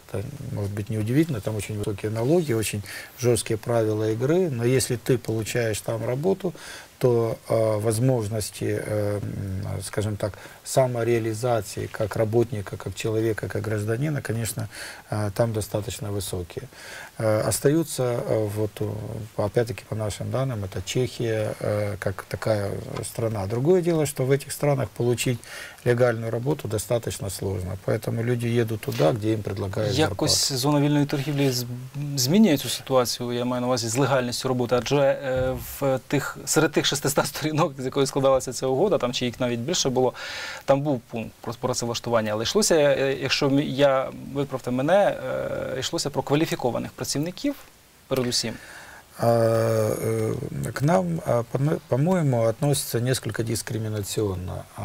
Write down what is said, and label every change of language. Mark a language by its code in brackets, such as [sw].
[ru] Это, может быть, не удивительно, там очень высокие налоги, очень жесткие правила игры, но если ты получаешь там работу, то возможности, скажем так, самореализации как работника, как человека, как гражданина, конечно, там достаточно высокие. Остаются, вот, опять-таки, по нашим данным, это Чехия, как такая страна. Другое дело, что в этих странах получить легальную работу достаточно сложно. Поэтому люди едут туда, где им предлагают зарплату. [uk] Якось зона вільної торгівлі змінює цю ситуацію, я маю на увазі, з легальністю роботи. Адже серед тих 600 сторінок, з якої складалася ця угода, там, чи їх навіть більше було, там був пункт про працевлаштування. Але йшлося, якщо я, виправте мене, йшлося про кваліфікованих працівників, передусім. [ru] К нам, по-моему, относится несколько дискриминационно.